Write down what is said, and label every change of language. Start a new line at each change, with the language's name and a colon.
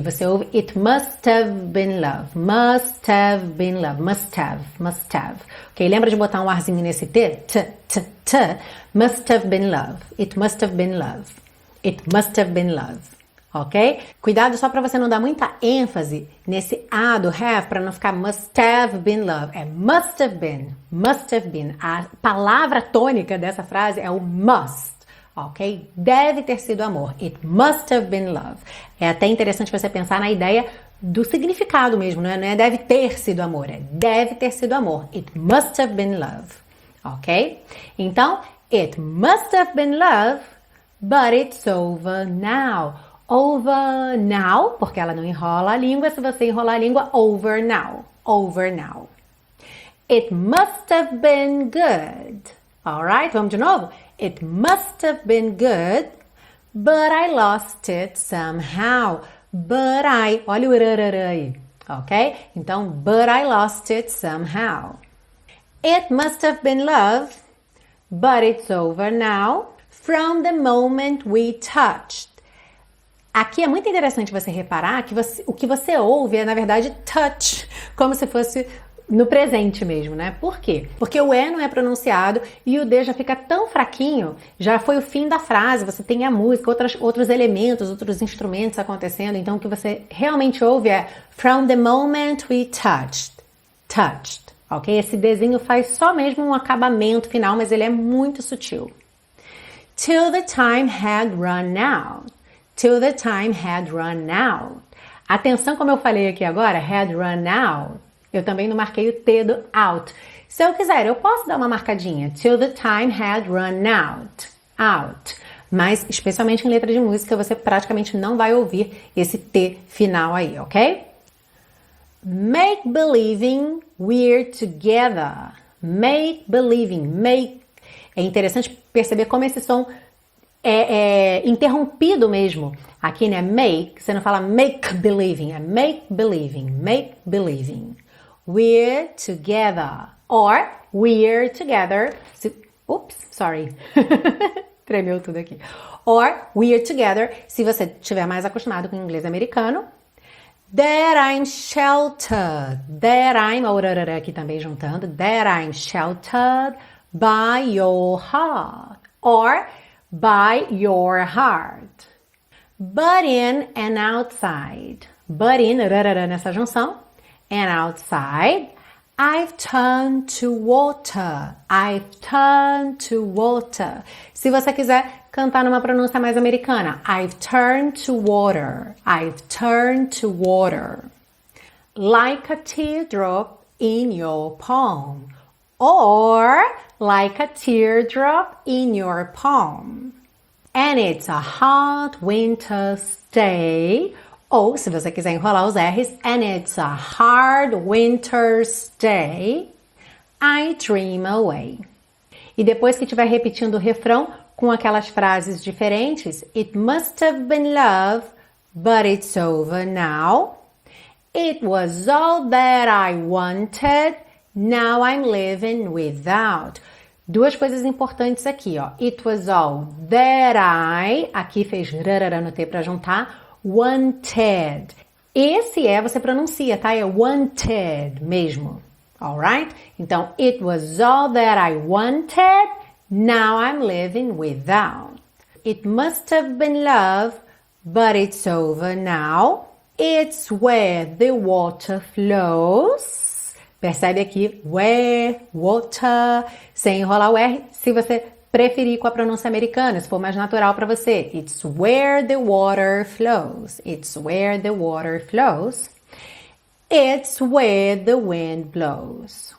Portuguese: Você ouve
English: it must have been love. Must have been love. Must have. Must have. Ok?
Portuguese: Lembra de botar um arzinho nesse T?
English: T, T, T. Must have been love. It must have been love. It must have been love. Ok?
Portuguese: Cuidado só para você não dar muita ênfase nesse A do have, para não ficar must have been love.
English: É must have been, must have been.
Portuguese: A palavra tônica dessa frase é o must, ok? Deve ter sido amor.
English: It must have been love.
Portuguese: É até interessante você pensar na ideia do significado mesmo, né? Não é deve ter sido amor, é deve ter sido amor.
English: It must have been love, ok? Então, it must have been love, but it's over now. Over now,
Portuguese: porque ela não enrola a língua. Se você enrolar a língua,
English: over now. Over now. It must have been good. Alright,
Portuguese: vamos de novo?
English: It must have been good, But I lost it somehow. But I,
Portuguese: olha o rarara aí,
English: ok? Então, but I lost it somehow. It must have been love, but it's over now. From the moment we touched.
Portuguese: Aqui é muito interessante você reparar que você, o que você ouve é, na verdade, touch, como se fosse no presente mesmo, né? Por quê? Porque o E não é pronunciado e o D já fica tão fraquinho, já foi o fim da frase, você tem a música, outros elementos, outros instrumentos acontecendo, então o que você realmente ouve é
English: from the moment we touched, touched,
Portuguese: ok? Esse Dzinho faz só mesmo um acabamento final, mas ele é muito sutil.
English: Till the time had run out. Till the time had run out.
Portuguese: Atenção, como eu falei aqui agora,
English: had run out.
Portuguese: Eu também não marquei o T do out. Se eu quiser, eu posso dar uma marcadinha.
English: Till the time had run out. Out.
Portuguese: Mas, especialmente em letra de música, você praticamente não vai ouvir esse T final aí, ok?
English: Make believing we're together. Make believing. Make.
Portuguese: É interessante perceber como esse som é interrompido mesmo. Aqui, né? Make. Você não fala
English: make believing. É make believing. Make believing. We're together. Or we're together. Ups, sorry.
Portuguese: Tremeu tudo aqui.
English: Or we're together.
Portuguese: Se você estiver mais acostumado com o inglês americano.
English: That I'm sheltered. That I'm.
Portuguese: Ou rarara aqui também juntando.
English: That I'm sheltered by your heart. Or by your heart. But in and outside. But in,
Portuguese: rarara nessa junção.
English: And outside, I've turned to water. I've turned to water.
Portuguese: Se você quiser cantar numa pronúncia mais americana,
English: I've turned to water. I've turned to water. Like a teardrop in your palm. Or like a teardrop in your palm. And it's a hot winter's day.
Portuguese: Ou, se você quiser enrolar os R's,
English: and it's a hard winter's day, I dream away.
Portuguese: E depois que estiver repetindo o refrão com aquelas frases diferentes,
English: it must have been love, but it's over now. It was all that I wanted, now I'm living without.
Portuguese: Duas coisas importantes aqui, ó.
English: It was all that I,
Portuguese: aqui fez rarara no T para juntar,
English: wanted.
Portuguese: Esse é, você pronuncia, tá? É wanted mesmo.
English: Alright? Então, it was all that I wanted, now I'm living without. It must have been love, but it's over now. It's where the water flows.
Portuguese: Percebe aqui, where, water, sem enrolar o R, se você preferir com a pronúncia americana, se for mais natural para você.
English: It's where the water flows. It's where the water flows. It's where the wind blows.